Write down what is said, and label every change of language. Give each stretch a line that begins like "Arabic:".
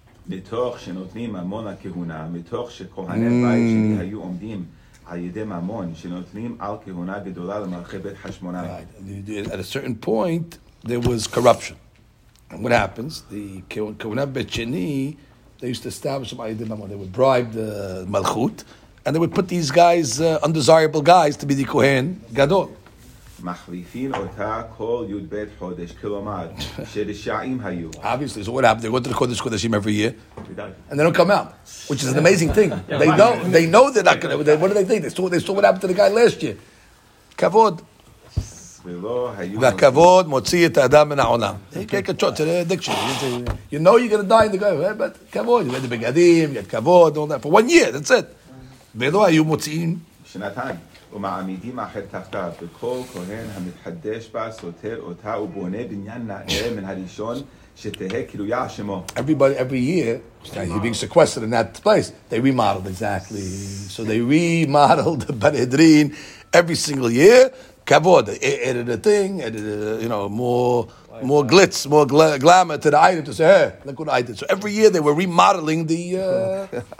Hebrew: מתוך שנותנים ממון לכהונה, מתוך שכהני בית שני היו עומדים על ידי ממון, שנותנים על כהונה גדולה למלכי בית חשמונאי.
English: At a certain point, there was corruption. And what happens? The כהונה בית שני, they used to establish them
Hebrew: על ידי ממון.
English: They would bribe the מלכות, and they would put these guys, undesirable guys, to be the כהן גדול.
Hebrew: מחליפים אותה כל י"ב חודש, כלומר, שרשעים היו.
English: Obviously, so what happened? They go to the Kodesh Kodeshim every year, and they don't come out, which is an amazing thing. They know they're not going to. What do they think? They saw what happened to the guy last year.
Hebrew: Kavod. והכבוד מוציא את האדם מן העולם.
English: You know you're going to die in the guy, but כבוד. You had the בגדים, you had כבוד, all that. For 1 year, that's it.
Hebrew: ולא היו מוציאים. שנתיים. ומעמידים אחר תחתיו, וכל כהן המתחדש בה סותר אותה ובונה בניין נאה מן הראשון שתהה קלויה שמו.
English: Everybody, every year, he's being sequestered in that place. They remodeled, exactly. So they remodeled the Parhedrin every single year. kavod, added a thing, added a, you know, more glitz, more glamour to the item to say, hey, look what I did. So every year they were remodeling the.